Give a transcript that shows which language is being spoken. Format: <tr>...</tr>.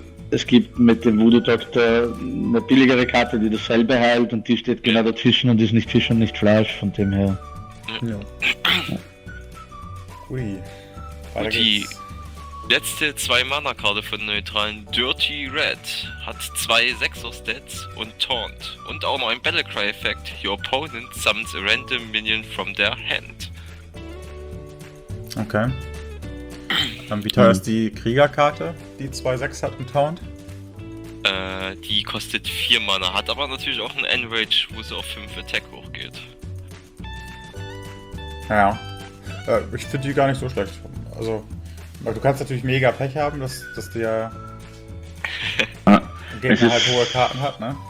<de>Es gibt mit dem Voodoo-Doktor eine billigere Karte, die dasselbe heilt und die steht genau dazwischen und ist nicht Fisch und nicht Fleisch, von dem her. Ja. Ui. Und die... Letzte 2-Mana-Karte von neutralen Dirty Red hat 2 6er-Stats und Taunt. Und auch noch ein Battlecry-Effekt.</de> <en>Your opponent summons a random minion from their hand.</en> <de>Okay. Dann wie teuer ist die Kriegerkarte, die 2 6 hat und Taunt? Die kostet 4 Mana, hat aber natürlich auch einen Enrage, wo sie auf 5 Attack hochgeht. Naja. Ich finde die gar nicht so schlecht. Also. Du kannst natürlich mega Pech haben, dass der Gegner halt hohe Karten hat, ne?</de>